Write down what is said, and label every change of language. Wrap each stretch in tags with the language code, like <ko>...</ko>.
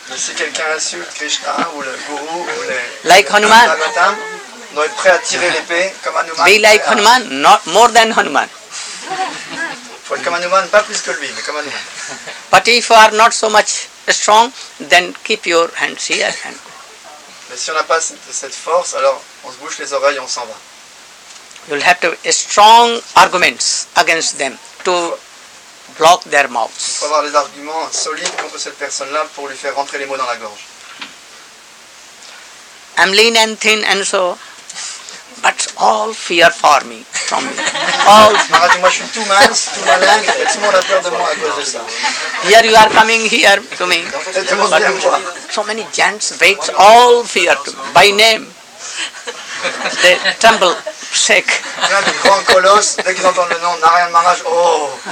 <fr>Mais si quelqu'un insulte Krishna ou le Guru ou les...</fr> <en>Like Hanuman.</en> <fr>Doit être prêt à tirer l'épée comme Hanuman.</fr> <en>Be like Hanuman, not more than Hanuman.</en> <fr>Faut être comme Hanuman, pas plus que lui, mais comme Hanuman.</fr> <en>But if you are not so much strong, then keep your hands here.</en> <fr>Mais si on n'a pas cette force, alors on se bouche les oreilles et on s'en va.</fr> <en>You'll have to have strong arguments against them to block their mouths.</en> <fr>Il faut avoir des arguments solides contre cette personne-là pour lui faire rentrer les mots dans la gorge.</fr> <en>I'm lean and thin and so, but all fear for me, from me. All.</en> <fr>Maharaj, moi je suis tout mince, tout malin, et tout le monde a peur de moi à cause de ça.</fr> <en>Here you are coming here to me. So many gents wait, all fear to me, by name. They tremble, shake.</en> <fr>Plein de grands colosses, dès qu'ils entendent le nom Narayan Maharaj, oh!</fr>